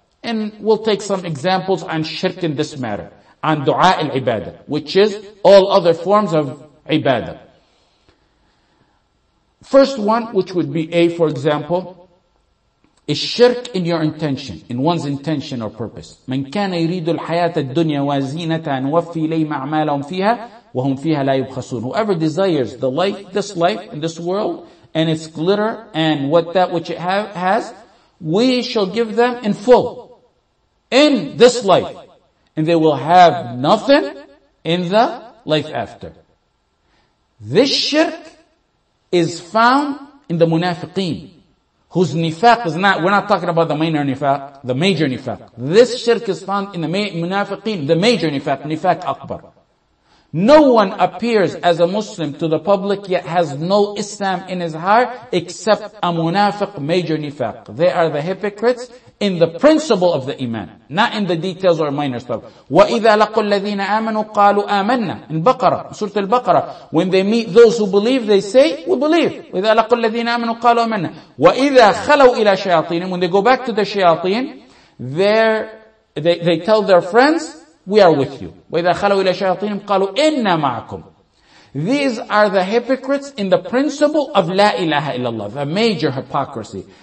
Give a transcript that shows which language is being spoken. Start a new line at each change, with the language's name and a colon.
English: And we'll take some examples on shirk in this matter, on dua al-ibadah, which is all other forms of ibadah. First one, which would be A, for example, is shirk in your intention, in one's intention or purpose.
Arabic: من كان يريد الحياة الدنيا وزينتها نوفي إليهم أعمالهم فيها وهم فيها لا يبخسون.
English: Whoever desires the life, this life, in this world, and its glitter, and what that which it has, we shall give them in full, in this life. And they will have nothing in the life after. This shirk is found in the munafiqeen, whose nifaq is not, we're not talking about the minor nifaq, the major nifaq. This shirk is found in the munafiqeen, the major nifaq, nifaq akbar. No one appears as a Muslim to the public yet has no Islam in his heart except a munafiq, major nifaq. They are the hypocrites in the principle of the iman, not in the details or minor stuff.
Arabic: وَإِذَا لَقُوا الَّذِينَ آمَنُوا قَالُوا آمَنَّا
English: in Baqarah, Surah Al-Baqarah. When they meet those who believe, they say, we believe.
Arabic: وَإِذَا لَقُوا الَّذِينَ آمَنُوا قَالُوا آمَنَّا وَإِذَا خَلَوْا إِلَى شَيَاطِينِ
English: when they go back to the shayateen, they tell their friends, we are with you.
Arabic: وَإِذَا خَلَوْا إِلَى شَيَاطِينِ قَالُوا إِنَّا مَعَكُمْ.
English: These are the hypocrites in the principle of
Arabic: لا إله إلا الله,
English: the major hypocrisy.